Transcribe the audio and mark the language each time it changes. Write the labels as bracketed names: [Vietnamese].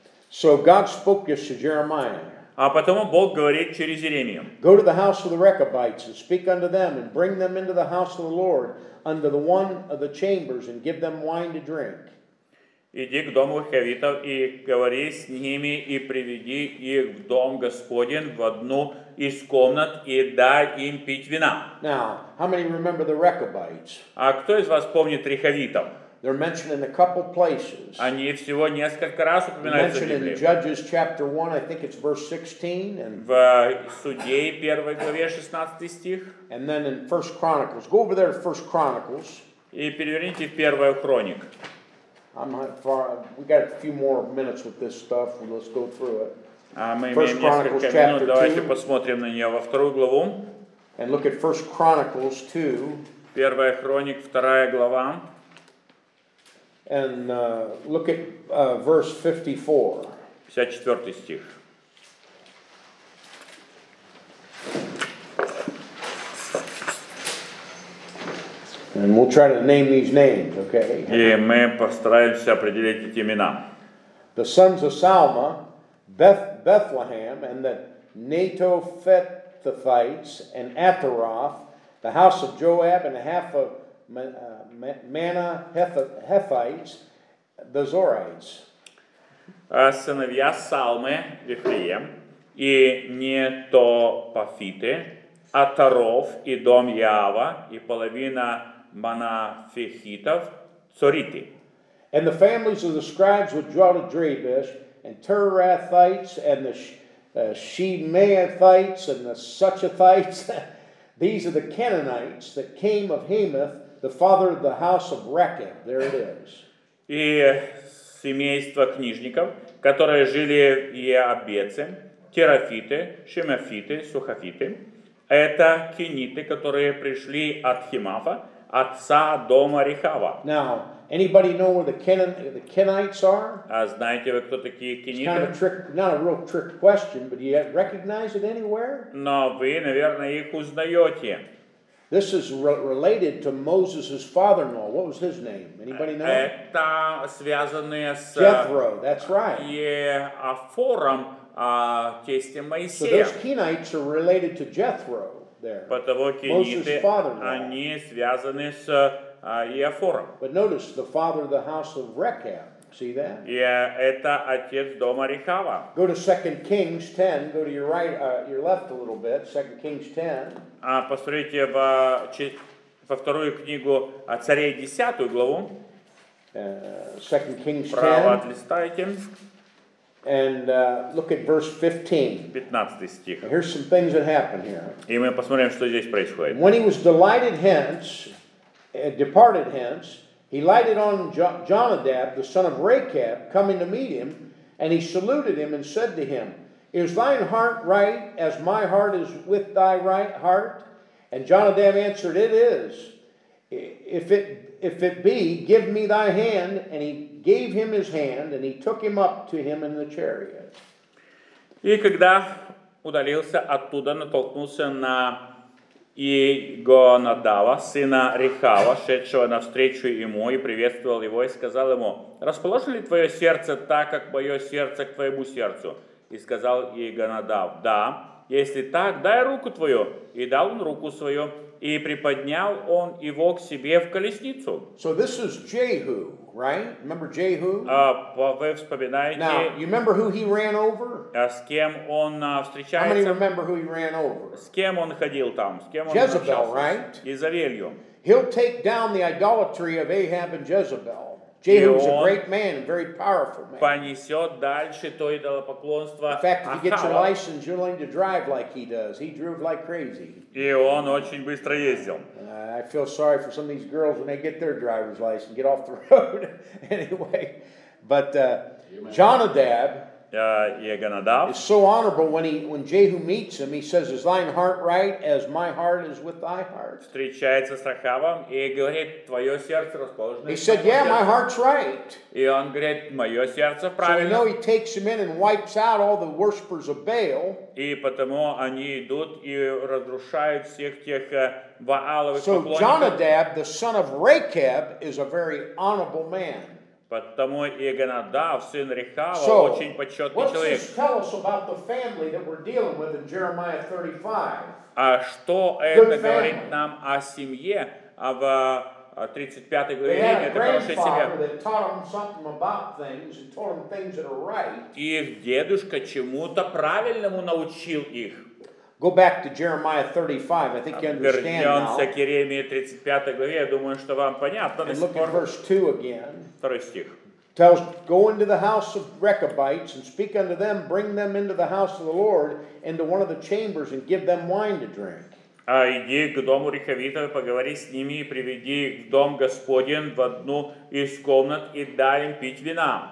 [English] So God spoke this to Jeremiah. [Russian] А потом Бог говорит через Иеремию. [English] Go to the house of the Rechabites and speak unto them and bring them into the house of the Lord under the one of the chambers and give them wine to drink. [Russian] Иди к дому Рехавитов и говори с ними и приведи их в дом Господень в одну из комнат и дай им пить вина. [English] Now, how many remember the Rechabites? [Russian] А кто из вас помнит Рехавитов? [English] They're mentioned in a couple places. [Russian] Они всего несколько раз упоминаются в Библии. [English] Mentioned in Judges chapter 1, I think it's verse 16. And [Russian] в Судей, 1 главе, 16 стих. [English] And then in 1 Chronicles. Go over there to 1 Chronicles. [Russian] И переверните в 1 Хроник. [English] We got a few more minutes with this stuff. Let's go through it. [Russian] Мы имеем несколько минут. Давайте посмотрим на нее во вторую главу. [English] And look at 1 Chronicles 2. [Russian] 1 Хроник, 2 глава. [English] And look at verse 54. 54 [Russian] стих. [English] And we'll try to name these names, okay? [Russian] И мы постараемся определить эти имена. [English] The sons of Salma, Bethlehem, and the Netophethites, and Atharoth, the house of Joab, and half of Manna, Hephites, the Zorites. [Russian] Сыновья Салмы, Вифлеем, и Нетопафиты, Атаров, и дом Яава, и половина Манафехитов, Цориты. [English] And the families of the scribes which dwelt at Jabesh, and Tirathites, and the Shemaiathites, and the Suchathites. These are the Canaanites that came of Hamath, the father of the house of Rechab. There it is. [Russian] И семейство книжников, которые жили в Иабеце, Терафиты, Шемафиты, Сухафиты. Это кениты, которые пришли от Химафа, отца дома Рехава. [English] Now, anybody know where the Kenites are? [Russian] А знаете вы, кто такие кениты? [English] It's kind of a trick, not a real trick question, but you recognize it anywhere? [Russian] Но вы, наверное, их узнаете. [English] This is related to Moses' father-in-law. What was his name? Anybody know? [Russian] Это связанное с... [English] Jethro, that's right. [Russian] Ефором. Тесте Моисея. [English] So those Kenites are related to Jethro there. [Russian] Потому кениты, они связаны с Иофором. [English] But notice the father of the house of Rechab. See that? Yeah, [Russian] это отец дома Рехава. [English] Go to 2 Kings 10. Go to your right, your left a little bit. 2 Kings 10. [Russian] Посмотрите во вторую книгу царей 10 главу. [English] 2 Kings 10. [Russian] Право отлистайте. [English] And look at verse 15. Here's some things that happen here. [Russian] И мы посмотрим, что здесь происходит. [English] When he was delighted hence, departed hence, he lighted on Jonadab, the son of Rechab, coming to meet him, and he saluted him and said to him, Is thine heart right as my heart is with thy right heart? And Jonadab answered, It is. If it be, give me thy hand. And he gave him his hand, and he took him up to him in the chariot. [Russian] И когда удалился оттуда, натолкнулся на Ионадава, сына Рехава, шедшего навстречу ему, и приветствовал его, и сказал ему, «Расположено ли твое сердце так, как мое сердце к твоему сердцу?» И сказал Ионадав, «Да, если так, дай руку твою». И дал он руку свою, и приподнял он его к себе в колесницу. [English] So this is Jehu. Right? Remember Jehu? [Russian] Вы вспоминаете... [English] Now, you remember who he ran over? [Russian] С кем он встречается? [English] How many remember who he ran over? [Russian] С кем он ходил там? С кем [English] Jezebel, [Russian] он встречался? [English] Right? [Russian] Изавелью. [English] He'll take down the idolatry of Ahab and Jezebel. Jehu was a great man, a very powerful man. [Russian] Понесет дальше то идолопоклонство [English] Ахава. In fact, if you get your license, you're learning to drive like he does. He drove like crazy. [Russian] И он очень быстро ездил. [English] I feel sorry for some of these girls when they get their driver's license, get off the road. Anyway, but Jonadab is so honorable when Jehu meets him, he says, Is thine heart right as my heart is with thy heart? [Russian] Встречается с Рахавом и говорит, твое сердце расположено. [English] He said, yeah, my heart's right. [Russian] И он говорит, мое сердце правильно. [English] So you know he takes him in and wipes out all the worshippers of Baal. [Russian] И потому они идут и разрушают всех тех Вааловых поклонников. [English] So Jonadab, the son of Rechab, is a very honorable man. [Russian] Потому Ионадав, сын Рехава, [English] so, [Russian] очень почетный человек. [English] What does this tell us about the family that we're dealing with in Jeremiah 35? [Russian] А что это говорит нам о семье в 35 главе? [English] They had a grandfather [Russian] семья. [English] That taught them something about things and taught them things that are right. [Russian] И дедушка чему-то правильному научил их. [English] Go back to Jeremiah 35. I think you understand now. [Russian] Вернемся к Иеремии 35 главе. Я думаю, что вам понятно. [English] And look at verse 2 again. [Russian] Второй стих. [English] Tells, go into the house of Rechabites and speak unto them, bring them into the house of the Lord, into one of the chambers, and give them wine to drink. [Russian] А иди к дому Рехавитов, поговори с ними, и приведи их в дом Господень в одну из комнат, и дай им пить вина.